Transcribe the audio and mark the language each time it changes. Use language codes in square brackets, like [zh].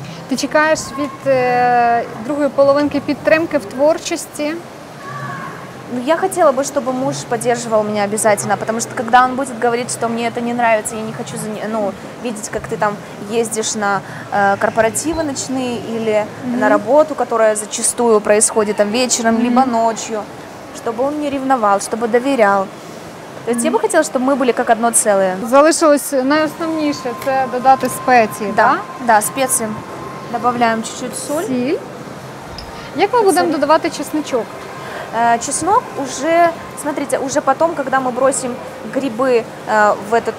[uk] Ты чекаешь від другої половинки підтримки в творчості? [ru] Ну, я хотела бы, чтобы муж поддерживал меня обязательно, потому что когда он будет говорить, что мне это не нравится, я не хочу видеть, как ты там ездишь на корпоративы ночные или на работу, которая зачастую происходит там вечером, либо ночью, чтобы он не ревновал, чтобы доверял. То есть я бы хотела, чтобы мы были как одно целое. [uk] Залишилось найосновніше – це додати спеції, да? Да, спеції. [ru] Добавляем чуть-чуть соль. [uk] Сіль. Як ми будемо додавати чесночок? [ru] Чеснок уже, смотрите, уже потом, когда мы бросим грибы в этот